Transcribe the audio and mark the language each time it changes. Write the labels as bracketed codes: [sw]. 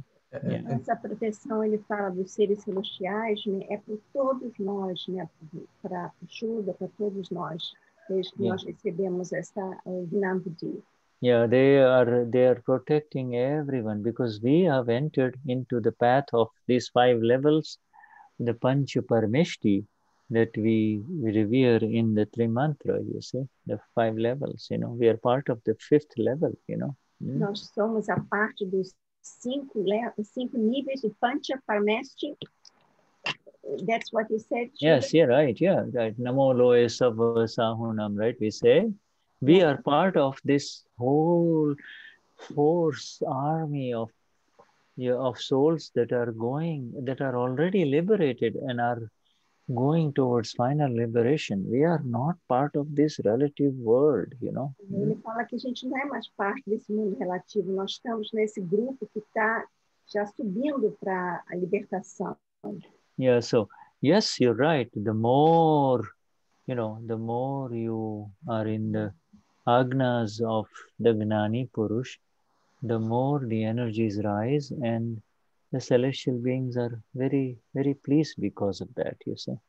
[pt] Essa proteção, ele fala dos seres celestiais, né? É para todos nós, né? Para ajuda, para todos nós, desde que nós recebemos essa Gnan Vidhi. [en] Yeah, they are protecting everyone because we have entered into the path of these five levels, the Pancha Parmeshti, that we revere in the Trimantra, you see, the five levels, you know. We are part of the fifth level, you know. Mm. [pt] Nós somos a parte dos cinco níveis do Pancha Parmeshti. [en] That's what you said, Chita? Yes, yeah, right, yeah. Right. Namo loe sava sahunam, right, we say. We are part of this whole force, army of souls that are going, that are already liberated and are going towards final liberation. We are not part of this relative world, you know. [pt] Ele fala que a gente não é mais parte desse mundo relativo. Nós estamos nesse grupo que está já subindo para a libertação. [en] Yeah, so, yes, you're right. The more, you know, the more you are in the agnas of the Gnani Purush, the more the energies rise and the celestial beings are very, very pleased because of that, you see.